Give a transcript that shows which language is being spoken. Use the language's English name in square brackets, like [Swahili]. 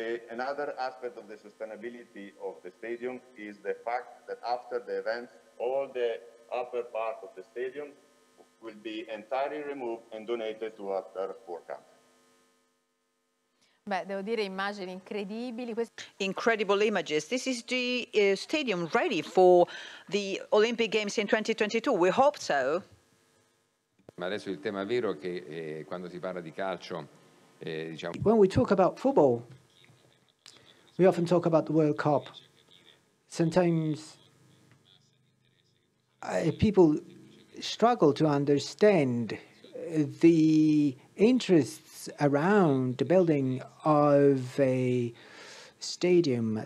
[English] Another aspect of the sustainability of the stadium is the fact that after the event, all the upper part of the stadium will be entirely removed and donated to a turf war camp. [Italian] Beh, devo dire immagini incredibili. [English] Incredible images. This is the stadium ready for the Olympic Games in 2022. We hope so. [Italian] Ma adesso il tema vero è che quando si parla di calcio, diciamo. [English] When we talk about football, we often talk about the World Cup. Sometimes people struggle to understand the interest around the building of a stadium.